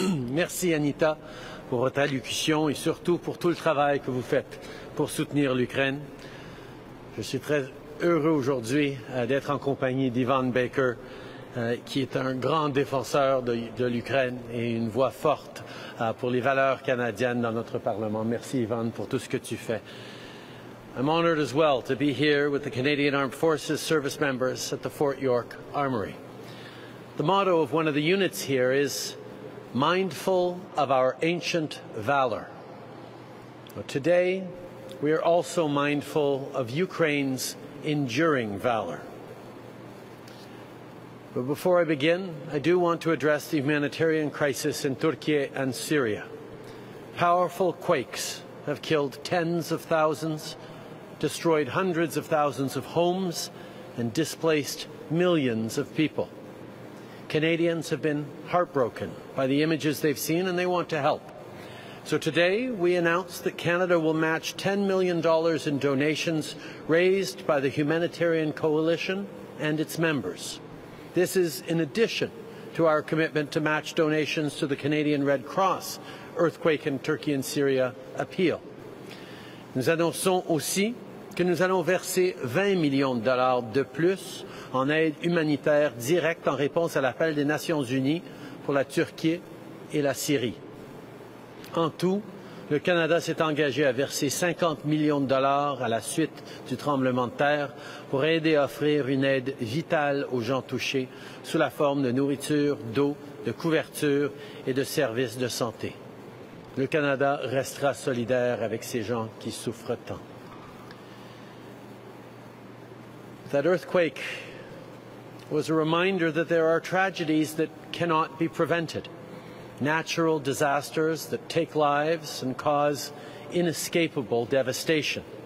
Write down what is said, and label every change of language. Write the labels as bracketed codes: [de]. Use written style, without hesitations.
[fr] Merci Anita pour votre allocution et surtout pour tout le travail que vous faites pour soutenir l'Ukraine. Je suis très heureux aujourd'hui d'être en compagnie d'Ivan Baker, qui est un grand défenseur de l'Ukraine et une voix forte pour les valeurs canadiennes dans notre Parlement. Merci Ivan pour tout ce que tu fais. [en] I'm honored as well to be here with the Canadian Armed Forces service members at the Fort York Armory. The motto of one of the units here is mindful of our ancient valor. But today, we are also mindful of Ukraine's enduring valor. But before I begin, I do want to address the humanitarian crisis in Turkey and Syria. Powerful quakes have killed tens of thousands, destroyed hundreds of thousands of homes, and displaced millions of people. Canadians have been heartbroken by the images they've seen, and they want to help. So today, we announced that Canada will match $10 million in donations raised by the Humanitarian Coalition and its members. This is in addition to our commitment to match donations to the Canadian Red Cross earthquake in Turkey and Syria appeal. [fr] Nous annonçons aussi que nous allons verser $20 million de plus en aide humanitaire directe en réponse à l'appel des Nations Unies pour la Turquie et la Syrie. En tout, le Canada s'est engagé à verser $50 million à la suite du tremblement de terre pour aider à offrir une aide vitale aux gens touchés sous la forme de nourriture, d'eau, de couverture et de services de santé. Le Canada restera solidaire avec ces gens qui souffrent tant. [en] That earthquake was a reminder that there are tragedies that cannot be prevented. Natural disasters that take lives and cause inescapable devastation.